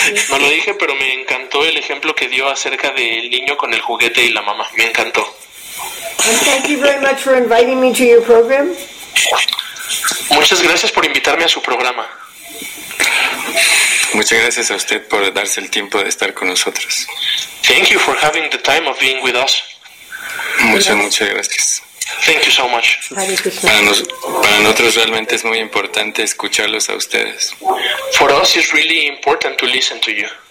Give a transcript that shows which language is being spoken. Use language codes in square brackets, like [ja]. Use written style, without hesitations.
[es] No lo dije, pero me encantó el ejemplo que dio acerca del niño con el juguete y la mamá. Me encantó. [en] And thank you very much for inviting me to your program. [es] Muchas gracias por invitarme a su programa. Muchas gracias a usted por darse el tiempo de estar con nosotros. [en] Thank you for having the time of being with us. [es] Muchas gracias. [en] Thank you so much. [es] Para nosotros realmente es muy importante escucharlos a ustedes. [en] For us it's really important to listen to you.